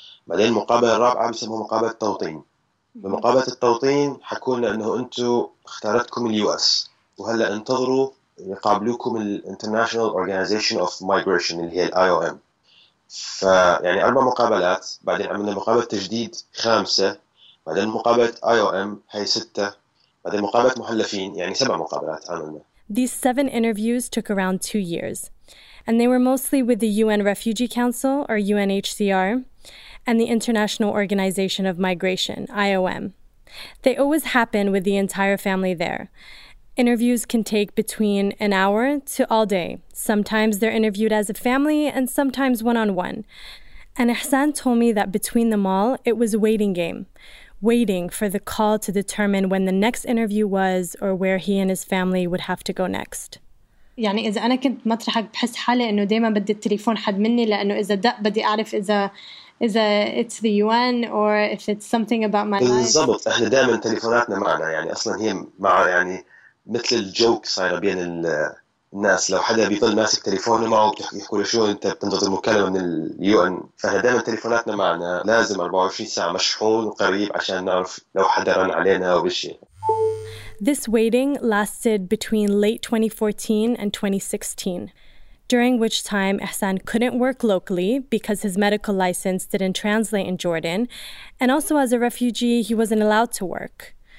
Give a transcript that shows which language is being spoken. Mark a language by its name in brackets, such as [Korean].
[Arabic] بعدين المقابلة الرابعة بيسموها مقابلة التوطين. بمقابلة التوطين حكولنا انه انتو اختارتكم اليو اس وهلأ انتظروا يقابلوكم الـ International Organization of Migration اللي هي الـ IOM. فيعني اربع مقابلات، بعدين عملنا مقابلة تجديد خامسة، بعدين مقابلة IOM هي ستة، بعدين مقابلة محلفين، يعني سبع مقابلات عملنا. [English] These seven interviews took around 2 years and they were mostly with the UN Refugee Council or UNHCR and the International Organization of Migration, IOM. They always happen with the entire family there. Interviews can take between an hour to all day. Sometimes they're interviewed as a family and sometimes one-on-one. And Ehsan told me that between them all, it was a waiting game, waiting for the call to determine when the next interview was or where he and his family would have to go next. [Arabic] يعني إذا أنا كنت مطرحك بحس حالي إنه دايما بدي التليفون حد مني، لأنه إذا دق بدي أعرف إذا [English] it's the UN or if it's something about my life. [Arabic] بالضبط، إحنا دائما تليفوناتنا معنا، يعني أصلا هي مع يعني مثل الجوك صايرة بين الناس، لو حدا بيظل ماسك تليفونه معه بيحكوا له شو أنت بتنتظر مكالمة من الـ UN، فإحنا دائما تليفوناتنا معنا لازم 24 ساعة مشحون وقريب عشان نعرف لو حدا رن علينا أو بشي. [English] This waiting lasted between late 2014 and 2016, during which time Ehsan couldn't work locally because his medical license didn't translate in Jordan, and also as a refugee, he wasn't allowed to work.